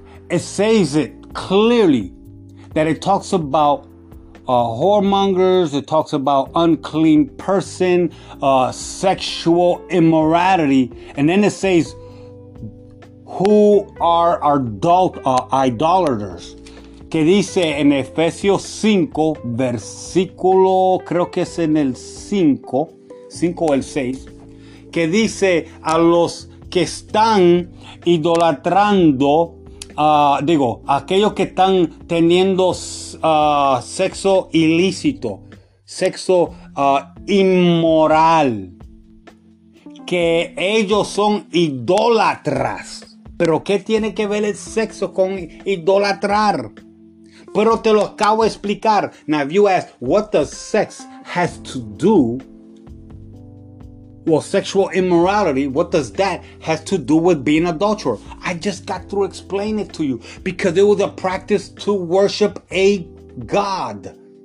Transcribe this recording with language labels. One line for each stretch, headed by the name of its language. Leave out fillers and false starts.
English: It says it clearly that it talks about whoremongers, it talks about unclean person, sexual immorality, and then it says, who are adult idolaters?
Spanish: Que dice en Efesios 5, versículo, creo que es en el 5 o el 6, que dice a los que están idolatrando, aquellos que están teniendo sexo ilícito, sexo inmoral, que ellos son idólatras. ¿Pero qué tiene que ver el sexo con idolatrar? Pero te lo acabo de explicar.
English: Now, if you ask, what does sex has to do? Well, sexual immorality, what does that has to do with being adulterer? I just got through explaining it to you. Because it was a practice to worship a god.